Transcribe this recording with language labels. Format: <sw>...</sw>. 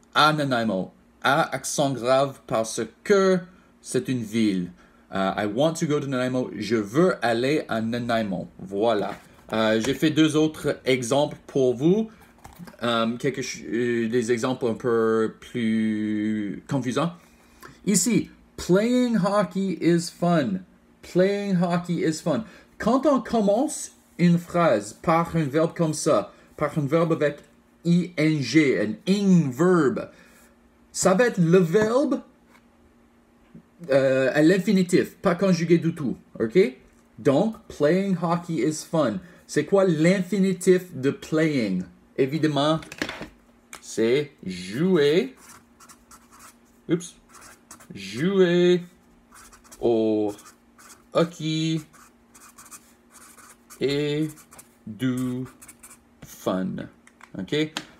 <fr>À Nanaimo, à accent grave parce que c'est une ville.</fr> <en>I want to go to Nanaimo.</en> <fr>Je veux aller à Nanaimo. Voilà. J'ai fait 2 autres exemples pour vous. Des exemples un peu plus confusants.</fr> <en>Ici, playing hockey is fun. Playing hockey is fun.</en> <fr>Quand on commence une phrase par un verbe comme ça, par un verbe avec ing, un ing verb. Ça va être le verbe à l'infinitif, pas conjugué du tout. OK?</fr> <en>Donc, playing hockey is fun.</en> <fr>C'est quoi l'infinitif de playing? Évidemment, c'est jouer. Oups. Jouer au hockey et du fun. OK?</fr>